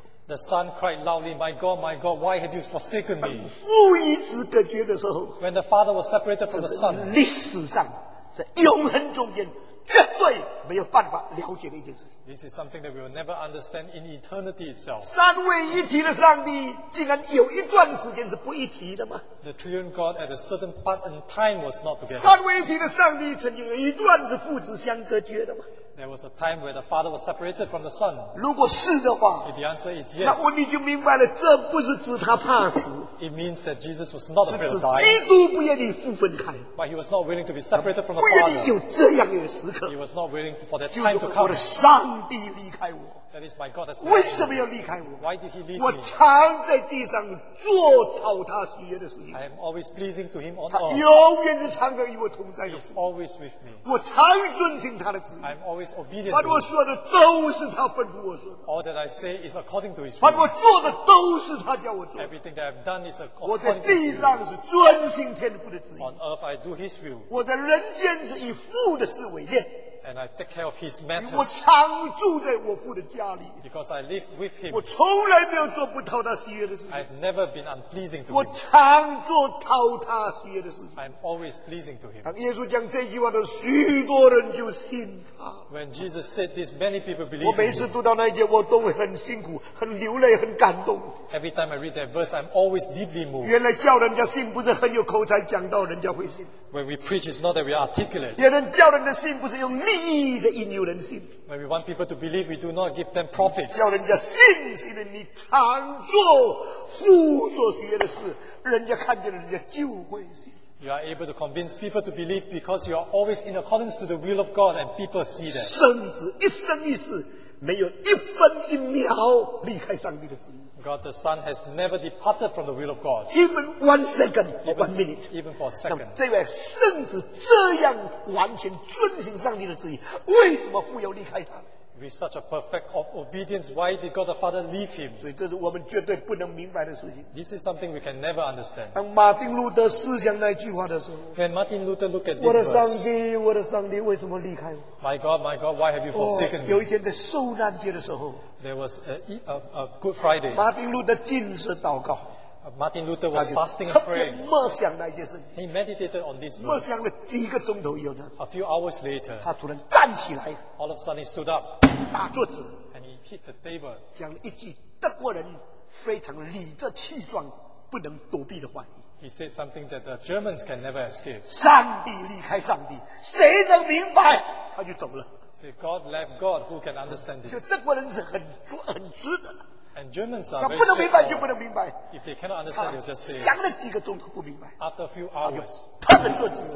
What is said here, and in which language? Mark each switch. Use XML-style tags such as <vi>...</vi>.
<en>The son cried loudly, my God, why have you forsaken me?</en> <zh>父与子隔绝的时候，</zh> <en>when the father was separated from the son,</en> <zh>历史上在永恒中间， 绝对没有办法了解的一件事。</zh> <en>This is something that we will never understand in eternity itself.</en> <zh>三位一体的上帝竟然有一段时间是不一体的吗？</zh> <en>The triune God at a certain part in time was not together.</en> <zh>三位一体的上帝曾经有一段是父子相隔绝的吗？</zh> <en>There was a time where the father was separated from the son.</en> <zh>如果是的话，</zh> <en>if the answer is yes,</en> <zh>那我们就明白了，这不是指他怕死。</zh> <en>It means that Jesus was not afraid of dying.</en> <zh>基督不愿意父分开，</zh> <en>but he was not willing to be separated from the father.</en> <zh>不愿意有这样一个时刻，</zh> <en>he was not willing for that time to come.</en> <zh>就是我的上帝离开我，</zh> <en>That is my God has left me.</en> <zh>为什么要离开我？</zh> <en>Why did he leave</en> <zh>我常在地上做讨他喜悦的事情。</zh> <en>I am always pleasing to him on earth.</en> <zh>他永远是常与我同在。</zh> <en>He is always with me.</en> <zh>我常遵行他的旨意。</zh> <en>I am always obedient.</en> <zh>凡我说的都是他吩咐我说的。</zh> <en>All that I say is according to his will.</en> <zh>凡我做的都是他叫我做的。</zh> <en>Everything that I've done is according to his will.</en> <zh>我在地上是遵行天父的旨意。</zh> <en>On earth I do his will.</en> <zh>我在人间是以父的事为念。</zh> <en>And I take care of his matters.</en> <zh>我常住在我父的家里。</zh> <en>Because I live with him.</en> <zh>我从来没有做不讨他喜悦的事情。</zh> <en>I've never been unpleasing to him.</en> <zh>我常做讨他喜悦的事情。</zh> <en>I'm always pleasing to him.</en> <zh>当耶稣讲这句话的时候，许多人就信他。</zh> <en>When Jesus said this, many people believed.</en> <zh>我每次读到那一节，我都会很辛苦、很流泪、很感动。</zh> <en>Every time I read that verse, I'm always deeply moved.</en> <zh>原来叫人家信不是很有口才讲到人家会信。</zh> <en>When we preach, it's not that we articulate.</en> <zh>别人叫人的信不是用力。</zh> <en>When we want people to believe, we do not give them profits.</en> <zh>叫人家信，是因为你常做父所学的事，人家看见了，人家就会信。</zh> <en>You are able to convince people to believe because you are always in accordance to the will of God, and people see that.</en> <zh>甚至一生一世，没有一分一秒离开上帝的旨意。</zh> <en>God the Son has never departed from the will of God. Even one second, one minute. Even for a second.</en> <zh>那这位甚至这样完全遵行上帝的旨意，为什么父要离开他？</zh> <en>With such a perfect obedience, why did God the Father leave him?</en> <zh>所以这是我们绝对不能明白的事情。</zh> <en>This is something we can never understand.</en> <zh>当马丁路德思想那句话的时候，</zh> <en>When Martin Luther looked at this verse,</en> <zh>我的上帝，我的上帝，为什么离开我？</zh> <en>my God, why have you forsaken me?</en> <zh>有一天在受难节的时候。</zh> <en>There was a Good Friday.</en> <zh>Martin Luther 禁食祷告。</zh> <en>Martin Luther was fasting and praying. He meditated on this verse. A few hours later, all of a sudden he stood up and he hit the table. He said something that the Germans can never escape.</en> <zh>上帝离开上帝，谁能明白？他就走了。</zh> <en>God left God, who can understand this?</en> <zh>就德国人是很直的。</zh> <en>And Germans are very strong.</en> <zh>他不能明白就不能明白。</zh> <en>If they cannot understand, they'll just say.</en> <zh>他想了几个钟头不明白。</zh> <en>After a few hours,</en> <zh>他们坐直。</zh>